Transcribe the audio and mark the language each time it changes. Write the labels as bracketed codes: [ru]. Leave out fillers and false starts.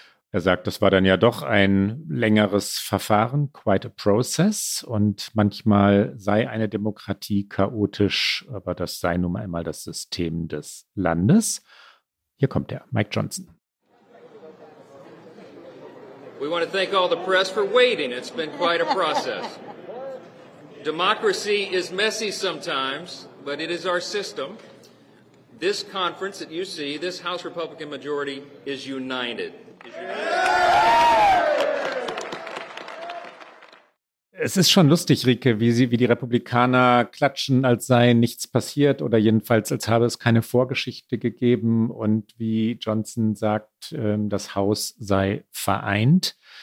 [de] Er sagt, das war dann ja doch ein längeres Verfahren, [en] quite a process. [de] Und manchmal sei eine Demokratie chaotisch, aber das sei nun einmal das System des Landes. Hier kommt er, Mike Johnson. [en] We want to thank all the press for waiting. It's been quite a process. Democracy is messy sometimes, but it is our system. This conference that you see, this House Republican majority is united. [de] Es ist schon lustig, Rieke, wie die Republikaner klatschen, als sei nichts passiert oder jedenfalls, als habe es keine Vorgeschichte gegeben und wie Johnson sagt, das Haus sei vereint.